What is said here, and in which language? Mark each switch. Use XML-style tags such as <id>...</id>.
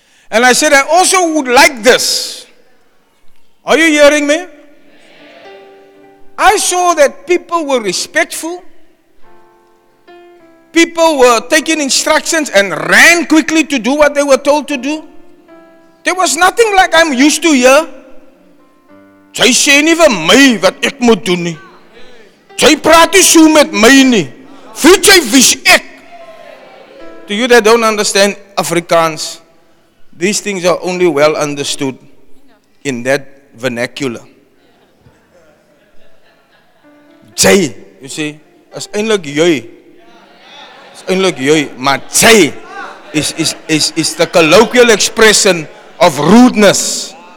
<en>And I said, I also would like this. Are you hearing me? I saw that people were respectful. People were taking instructions and ran quickly to do what they were told to do. There was nothing like I'm used to here.</en> <af>Jy sê nie vir my wat ek moet doen nie. Jy praat nie so met my nie. Weet jy wie's ek?</af> <en>To you that don't understand Afrikaans, these things are only well understood in that vernacular.</en> <af>Jy,</af> <en>you see,</en> <af>is eintlik jy. Is eintlik jy, maar jy is</af> <en>the colloquial expression of rudeness.</en>